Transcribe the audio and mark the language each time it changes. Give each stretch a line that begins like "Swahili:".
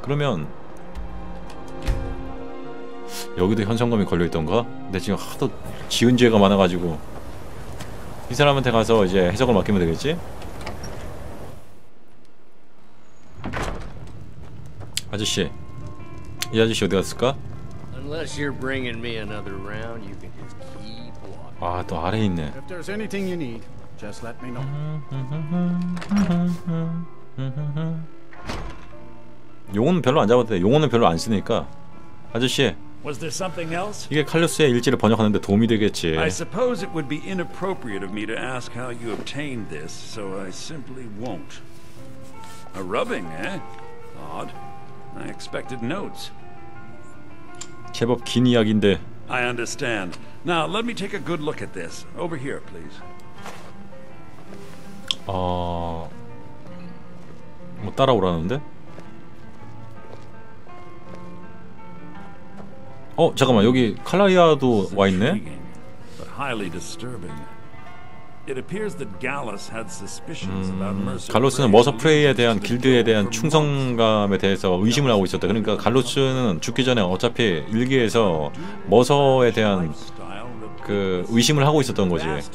Korean: 그러면 여기도 현상금이 걸려있던가? 근데 지금 하도 지은 죄가 많아가지고 이 사람한테 가서 이제 해석을 맡기면 되겠지? 아저씨 이 아저씨 어디 갔을까?
English: Unless you're bringing me another round, you can just keep walking.
Korean: 아, 또 아래 있네.
English: If there's anything you need, just let me know.
Korean: 용은 별로 안 잡아도 돼. 용은 별로 안 쓰니까. 아저씨.
English: Was there something else?
Korean: 이게 칼리우스의 일지를 번역하는데 도움이 되겠지.
English: I suppose it would be inappropriate of me to ask how you obtained this, so I simply won't. A rubbing, eh? Odd. I expected notes.
Korean: 제법 긴 이야기인데.
English: I understand. Now let me take a good look at this. Over here, please.
Korean: 뭐 따라오라는데? 어, 잠깐만. 여기 칼라리아도 와 있네.
English: But highly disturbing. It appears that Gallus had suspicions about Mercer.
Korean: 갈로스는 머서 프레이에 대한 길드에 대한 충성감에 대해서 의심을 하고 있었다. 그러니까 갈로스는 죽기 전에 어차피 일기에서 머서에 대한 그 의심을 하고 있었던 거지.